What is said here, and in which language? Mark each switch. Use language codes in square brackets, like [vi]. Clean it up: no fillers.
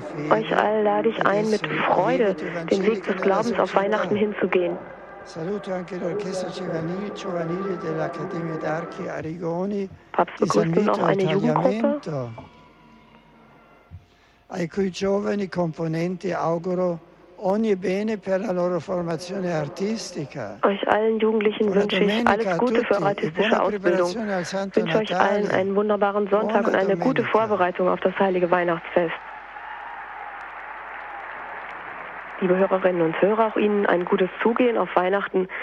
[de] Euch allen lade ich ein, mit Freude den Weg des Glaubens auf Weihnachten hinzugehen. [it] Saluto anche l'Orchestra Giovanile dell'Accademia d'Archi Arrigoni. [de] Papst begrüßt nun auch eine Jugendgruppe. [it] Ai cui giovani componenti auguro ogni bene per la loro formazione artistica. [de] Euch allen Jugendlichen wünsche ich alles Gute für eure artistische Ausbildung. Wünsche euch allen einen wunderbaren Sonntag und eine gute Vorbereitung auf das heilige Weihnachtsfest. Liebe Hörerinnen und Hörer, auch Ihnen ein gutes Zugehen auf Weihnachten.